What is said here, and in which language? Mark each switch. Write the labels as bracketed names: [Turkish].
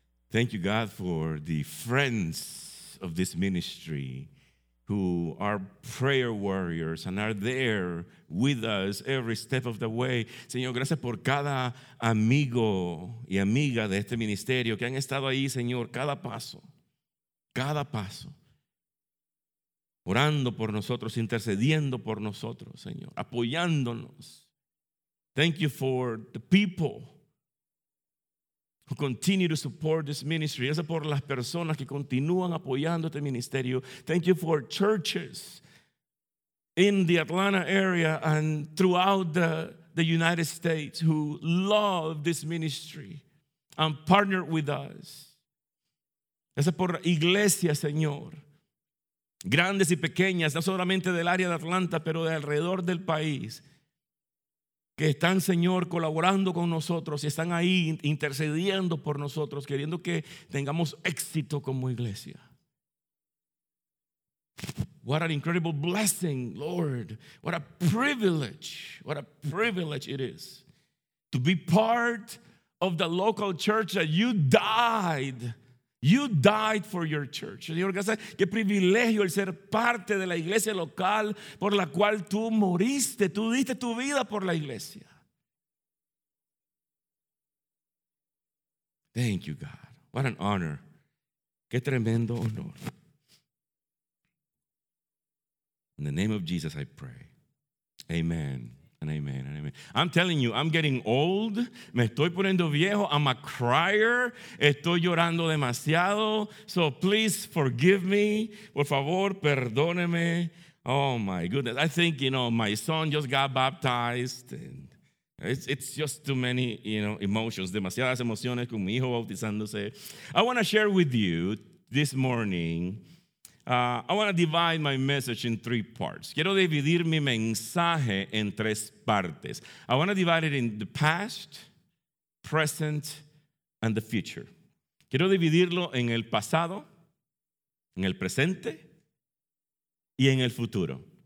[English] Thank you, God, for the friends of this ministry who are prayer warriors and are there with us every step of the way. [Spanish] Señor, gracias por cada amigo y amiga de este ministerio que han estado ahí, Señor, cada paso, orando por nosotros, intercediendo por nosotros, Señor, apoyándonos. [English] Thank you for the people who continue to support this ministry. [Spanish] Gracias por las personas que continúan apoyando este ministerio. [English] Thank you for churches in the Atlanta area and throughout the United States who love this ministry and partner with us. [Spanish] Gracias por iglesias, Señor, grandes y pequeñas, no solamente del área de Atlanta, pero de alrededor del país, que están, Señor, colaborando con nosotros y están ahí intercediendo por nosotros, queriendo que tengamos éxito como iglesia. [English] What an incredible blessing, Lord. What a privilege. What a privilege it is to be part of the local church that you died. You died for your church. [Spanish] Señor, gracias. Qué privilegio el ser parte de la iglesia local por la cual tú moriste. Tú diste tu vida por la iglesia. [English] Thank you, God. What an honor. [Spanish] Qué tremendo honor. [English] In the name of Jesus, I pray. Amen. And amen, and amen. I'm telling you, I'm getting old. [Spanish] Me estoy poniendo viejo. [English] I'm a crier. [Spanish] Estoy llorando demasiado. [English] So please forgive me. [Spanish] Por favor, perdóneme. [English] Oh my goodness. I think, you know, my son just got baptized. And it's just too many, you know, emotions. [Spanish] Demasiadas emociones con mi hijo bautizándose. [English] I want to share with you this morning. I want to divide my message in 3 parts. [Spanish] Quiero dividir mi mensaje en 3 partes. [English] I want to divide it in the past, present, and the future. [Spanish] Quiero dividirlo en el pasado, en el presente, y en el futuro.